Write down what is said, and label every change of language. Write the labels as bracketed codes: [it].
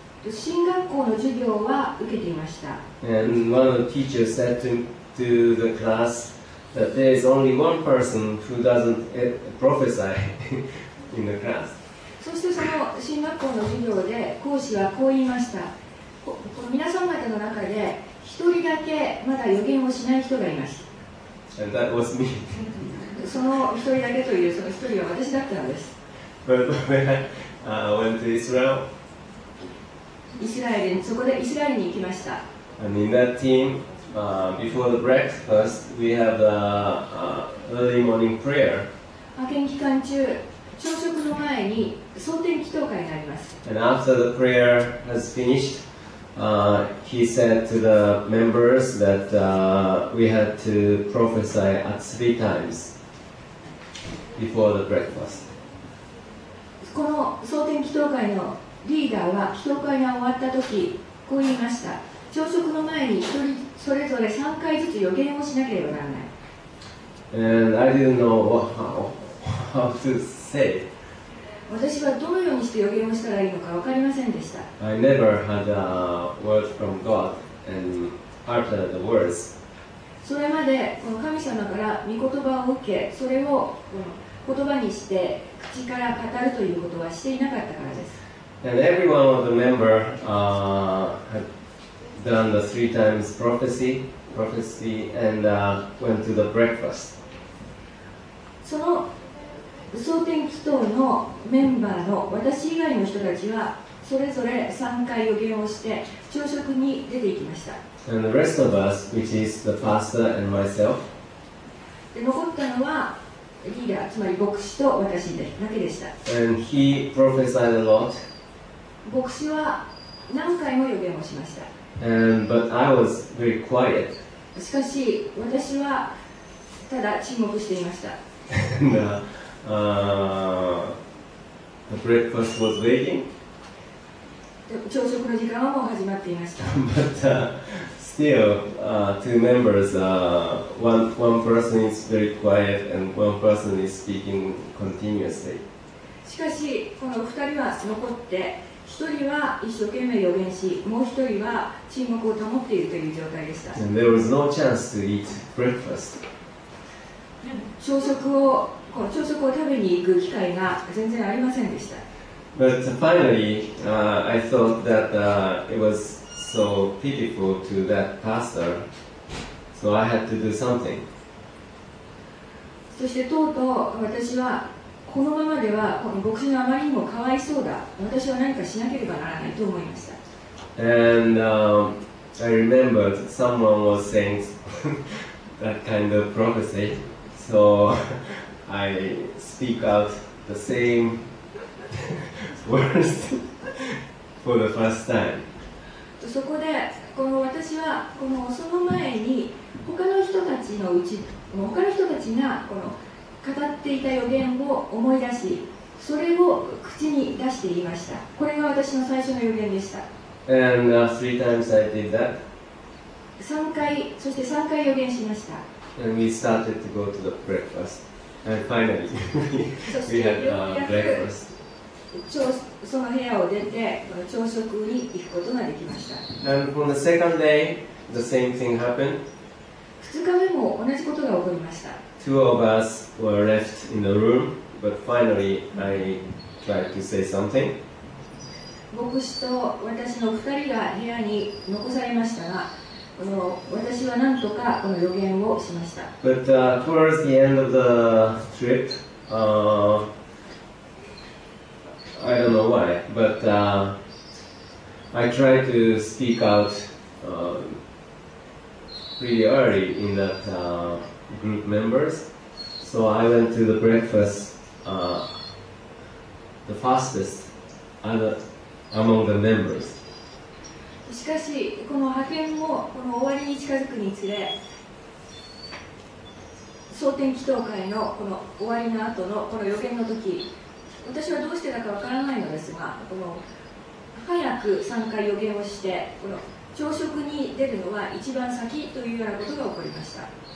[ja] 新学校の授業は受けていました。 [en] And one of the teachers said to the class,That there is only one person who doesn't prophesy in the class. [ja] そしてその新学校の授業で講師はこう言いました。この皆さん方の中で一人だけまだ予言をしない人がいます。 [en] And that was me. [ja] その一人だけというその一人は私だったのです。 [en] But when I went to Israel, [ja] イスラエルにそこでイスラエルに行きました。 [en] And in that team. Before the breakfast, we have the early morning prayer. [ja] 派遣期間中、朝食の前に総点祈祷会があります。 [en] And after the prayer has finished, he said to the members that we had to prophesy at three times before the breakfast. [ja] この総点祈祷会のリーダーは祈祷会が終わった時こう言いました。朝食の前に一人それぞれ3回ずつ予言をしなければならない。 [en] And I didn't know how to say. [ja] 私はどのようにして予言をしたらいいのか分かりませんでした。 [en] I never had a word from God and uttered the words. [ja] それまでこの神様から御言葉を受け、それをこの言葉にして口から語るということはしていなかったからです。 [en] And every one of the member, had done the three times prophecy and went to the breakfast. [ja] その総点祈祷のメンバーの私以外の人たちはそれぞれ3回予言をして朝食に出て行きました。 [en] And the rest of us, which is the pastor and myself, [ja] で残ったのはリーダー、つまり牧師と私だけでした。 [en] And he prophesied a lot. [ja] 牧師は何回も予言をしました。 [en] But I was very quiet. [ja] しかし私はただ沈黙していました。 [en] The breakfast was waiting. [ja] 朝食の時間はもう始まっていました。 [en] But still, two members, one person is very quiet and one person is speaking continuously. [ja] しかしこの二人は残って。一人は一生懸命予言し、もう一人は沈黙を保っているという状態でした。 [en] And there was no chance to eat breakfast. [ja] 朝食を食べに行く機会が全然ありませんでした。 [en] But finally, I thought that it was so pitiful to that pastor, so I had to do something. [ja] そしてとうとう私はこのままではこの牧師のあまりにもかわいそうだ。私は何かしなければならないと思いました。 [en] And I remembered someone was saying that kind of prophecy, so I speak out the same words for the first time. [ja] そこでこの私はこのその前に他の人たちのうち他の人たちがこの語っていた予言を思い出し、それを口に出して言いました。これが私の最初の予言でした。 [en] And three times I did that. [ja] 三回、そして三回予言しました。 [en] And we started to go to the breakfast. And finally, we had breakfast. [ja] その部屋を出て、朝食に行くことができました。 [en] And on the second day, the same thing happened. [ja] 二日目も同じことが起こりました。 [en] Two of us were left in the room, but finally I tried to say something. [ja] 牧師と私の二人が部屋に残されましたが、この私はなんとかこの予言をしました。 [en] But towards the end of the trip, I don't know why, but I tried to speak out pretty early in that group members. So I went to the breakfast the fastest among the members. [ja] しかしこの派遣もこの終わりに近づくにつれ蒼天祈祷会のこの終わりの後のこの予言の時私はどうしてだかわからないのですがこの早く参加予言をしてこの朝食に出るのは一番先というようなことが起こりましただ